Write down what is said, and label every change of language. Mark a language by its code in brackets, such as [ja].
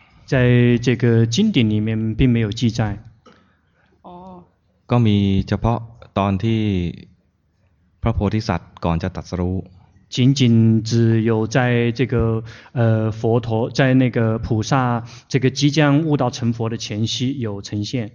[th] ใน [zh] 这个经典里面并没有记载 [th] ก็มีเฉพาะตอนที่พระโพธิสัตว์ก่อนจะตรัสรู้ [zh] 仅仅只有在这个佛陀在那个菩萨这个即将悟道成佛的前夕有呈现